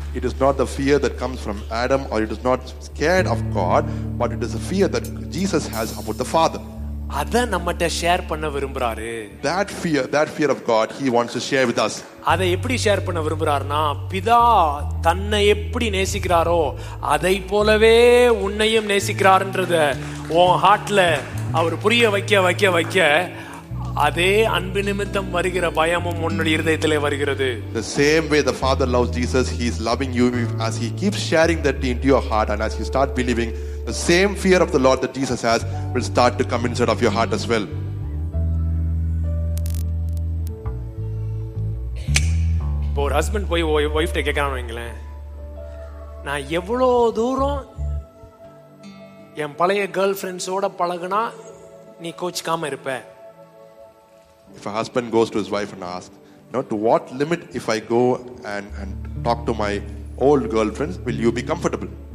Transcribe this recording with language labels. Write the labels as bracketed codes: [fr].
[en] It is not the fear that comes from Adam, or it is not scared of God, but it is a fear that Jesus has about the Father. [ta] அத நம்மட்ட share பண்ண விரும்புறாரு. [en] That fear of God he wants to share with us. [ta] அத எப்படி share பண்ண விரும்புறாருனா, பிதா தன்னை எப்படி நேசிக்கிறாரோ அதை போலவே உன்னையும் நேசிக்கிறார்ன்றதை உன் ஹார்ட்ல அவர் புரிய வைக்க வைக்க வைக்க அதே அன்பு நிமித்தம் வருகிற பயமும் உன்னுடைய இதயத்திலே வருகிறது. [en] The same way the Father loves Jesus, he is loving you. As he keeps sharing that into your heart and as you start believing, the same fear of the Lord that Jesus has will start to come inside of your heart as well. [ta] போ husband போய் wife கிட்ட கேக்குறானுங்களே, நான் எவ்வளவு தூரம் என் பழைய girl ஃப்ரெண்ட்ஸோட பழகுனா நீ கோச்சிக்காம இருப்ப? [en] If a husband goes to his wife and asks, "Now, to what limit if I go and talk to my old girlfriends, will you be comfortable?"